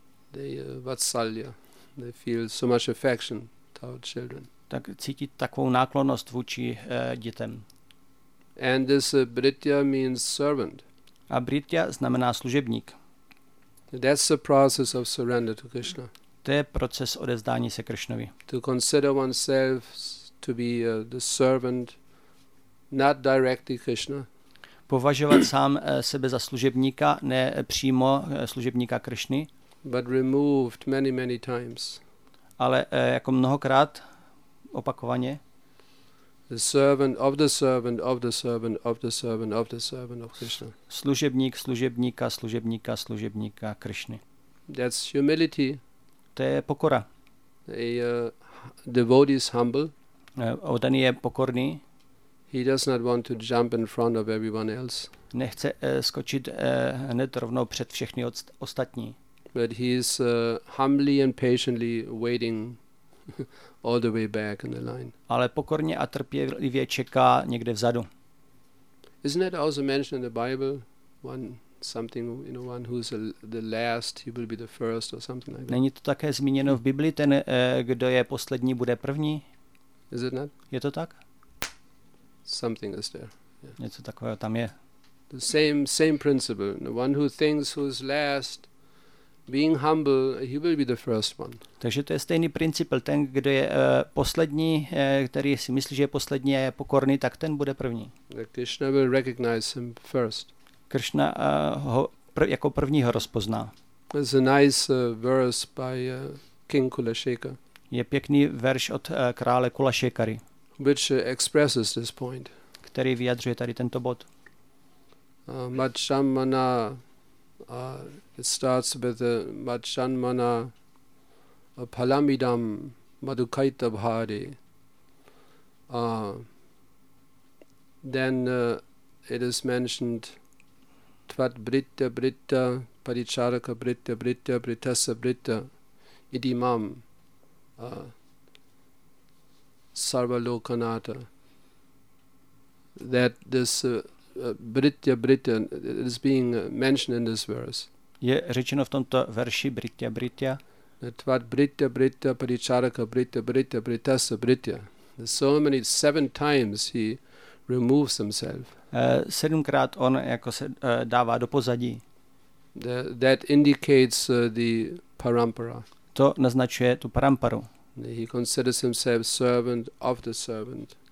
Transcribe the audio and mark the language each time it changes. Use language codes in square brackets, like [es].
[en] They Vatsalya, they feel so much affection toward children. [cs] Tak cítí takovou náklonost vůči dětem. [en] And this Britya means servant. [cs] A Britya znamená služebník. [en] That's the process of surrender to Krishna. [cs] To je proces odevzdání se Kršnovi. [en] To consider oneself to be the servant, not directly Krishna. [cs] Považovat sám sebe za služebníka, ne přímo služebníka Kršny. [en] But removed many, many times. [cs] Ale jako mnohokrát, opakovaně. [en] The servant of the servant of the servant of the servant of the servant of Krishna. [cs] Služebník služebníka služebníka služebníka Krishny. [en] That's humility. [cs] To je pokora. [en] Devotee is humble. [cs] Oddaný je pokorný. [en] He does not want to jump in front of everyone else. [cs] Nechce skočit hned rovnou před všechny ostatní. [en] But he is humbly and patiently waiting all the way back in the line. [cs] Ale pokorně a trpělivě čeká někde vzadu. [en] Isn't it also mentioned in the Bible? One something, you know, one who's the last, he will be the first or something like that. [cs] Není to také zmíněno v Biblii, ten kdo je poslední, bude první? [en] Is it not? [cs] Je to tak? [en] Something is there. Yes. [cs] Něco takového tam je. [en] The same principle. The one who thinks who's last, being humble, he will be the first one. [cs] Takže to je stejný princip. Ten, kdo je poslední, který si myslí, že je poslední a je pokorný, tak ten bude první. [en] Krishna will recognize him first. [cs] Krishna ho jako první ho rozpozná. [en] There's a nice verse by King Kulashekar. [cs] Je pěkný verš od krále Kulashekary. [en] Which expresses this point. [cs] Který vyjadřuje tady tento bod. [sa] Matshamana, [en] it starts with [sa] Matshamana, Palamidam, Madhukaita Bhari. [en] Then it is mentioned, [sa] Tvat Britta Britta, Paricharaka Britta Britta, Britasa Britta, Idimam, Sarvalokanata. [en] That this Britya Britya is being mentioned in this verse. [cs] Je řečeno v tomto verši Britya Britya. [sa] Tvat Britya Britya, Paricharaka Britya Britya, Britasa Britya. [en] So many, seven times he removes himself. [cs] Sedmkrát on jako se dává do pozadí. [en] That indicates the parampara. [cs] To naznačuje tu paramparu. [en] He considers himself servant of the servant.